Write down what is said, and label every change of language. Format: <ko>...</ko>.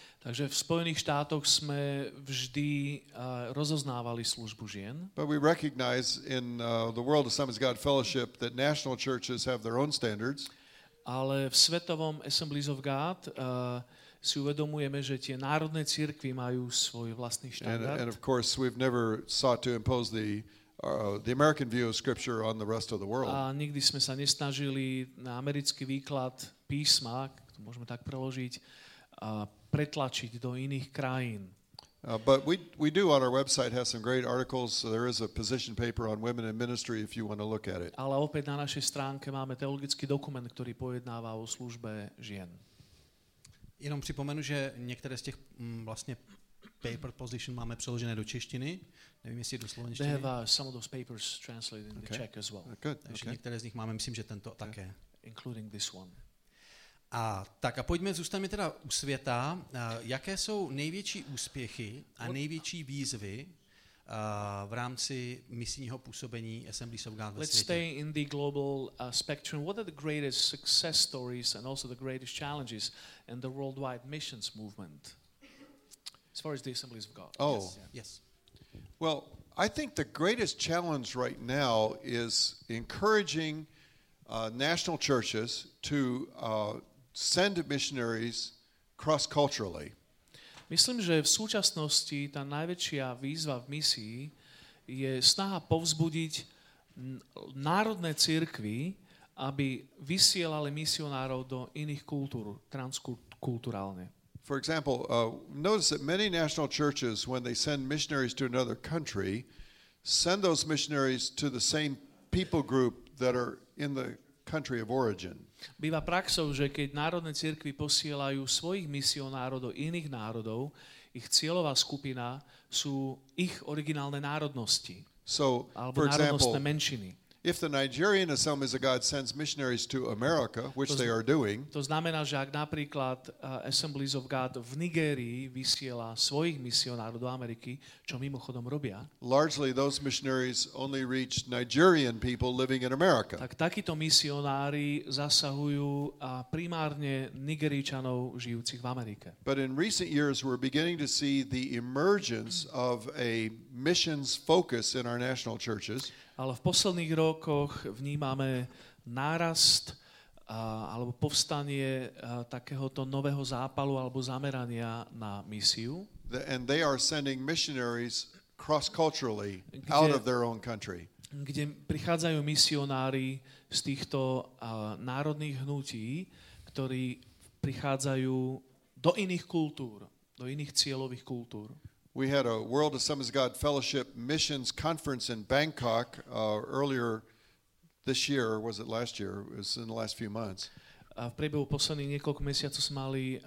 <sk>Takže v Spojených štátoch sme vždy rozoznávali službu žien.</sk> <en>But we recognize in the world of Assemblies of God Fellowship that national churches have their own standards.</en> <sk>Ale v svetovom Assemblies of God si uvedomujeme, že tie národné cirkvi majú svoj vlastný štandard.</sk> <en>And of course we've never sought to impose the American view of scripture on the rest of the world.</en> <sk>A nikdy sme sa nesnažili na americký výklad písma, to môžeme tak preložiť, pretlačiť do iných krajín.</sk> <en>But we do on our website have some great articles. So there is a position paper on women in ministry if you want to look at it.</en> <sk>Ale opäť na našej stránke máme teologický dokument, ktorý pojednáva o službe žien. Jenom pripomenu, že niektoré z tých vlastne paper position máme preložené do češtiny. Neviem, jestli do slovenštiny.</sk> <en>They have some of those papers translated in the Czech as well. Good.</en> <sk>Takže niektoré z nich máme, myslím, že tento také.</sk> <en>Including this one.</en> <cs>A tak a pojďme, zůstaňme teda u světa. Jaké jsou největší úspěchy a největší výzvy v rámci misijního působení Assemblies of God ve světě?</cs> <en>Let's stay in the global spectrum. What are the greatest success stories and also the greatest challenges in the worldwide missions movement? As far as the Assemblies of God. Oh, yes. Well, I think the greatest challenge right now is encouraging national churches to send missionaries cross-culturally.</en> <sk>Myslím, že v súčasnosti tá najväčšia výzva v misii je snaha povzbudiť národné cirkvi, aby vysielali misionárov do iných kultúr, transkulturálne.</sk> <en>For example, notice that many national churches, when they send missionaries to another country, send those missionaries to the same people group that are in the country of origin.</en> <sk>Býva praxou, že keď národné cirkvi posielajú svojich misionárov do iných národov, ich cieľová skupina sú ich originálne národnosti.</sk> <en>So,</en> <sk>alebo</sk> <en>for</en> <sk>národnostné</sk> <en>example,</en> <sk>menšiny.</sk> <en>If the Nigerian Assemblies of God sends missionaries to America, which they are doing.</en> <sk>To znamená, že ak napríklad Assemblies of God v Nigérii vysiela svojich misionárov do Ameriky, čo mimochodom robia.</sk> <en>Largely those missionaries only reach Nigerian people living in America.</en> <sk>Tak takíto misionári zasahujú primárne Nigeričanov žijúcich v Amerike.</sk> <en>But in recent years we're beginning to see the emergence of a missions focus in our national churches.</en> <sk>Ale v posledných rokoch vnímame nárast alebo povstanie takéhoto nového zápalu alebo zamerania na misiu.</sk> <en>And they are sending missionaries cross-culturally out of their own country.</en> <sk>Kde prichádzajú misionári z týchto národných hnutí, ktorí prichádzajú do iných kultúr, do iných cieľových kultúr.</sk> <en>We had a World Assemblies of God Fellowship Missions Conference in Bangkok earlier this year. Was it last year? It was in the last few months.</en> <sk>V priebehu posledných niekoľko mesiacov sme mali</sk>